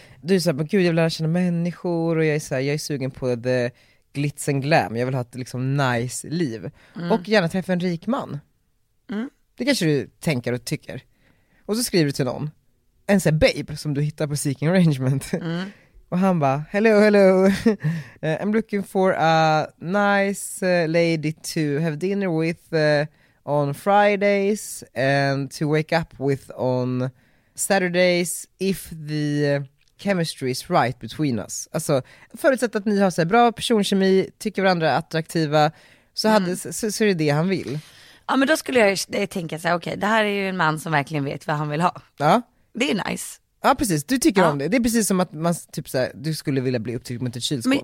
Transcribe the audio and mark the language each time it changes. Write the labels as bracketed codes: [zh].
[sv] Du är så här, men gud, jag vill lära känna människor. Och jag är så här, jag är sugen på [en] the glitz and glam. [sv] Jag vill ha ett liksom nice liv. Mm. Och gärna träffa en rik man. Mm. Det kanske du tänker och tycker. Och så skriver du till någon. En sån här babe som du hittar på Seeking Arrangement. Mm. Och han bara, [en] hello, hello. I'm looking for a nice lady to have dinner with on Fridays and to wake up with on Saturdays if the chemistry is right between us. [sv] Alltså, förutsatt att ni har så bra personkemi, tycker varandra är attraktiva, så, så är det han vill. Ja, men då skulle jag tänka så här, okej, det här är ju en man som verkligen vet vad han vill ha. Ja. Det är nice. Ja, precis. Du tycker om det. Det är precis som att man typ så här, du skulle vilja bli upptryckt mot ett kylskåp.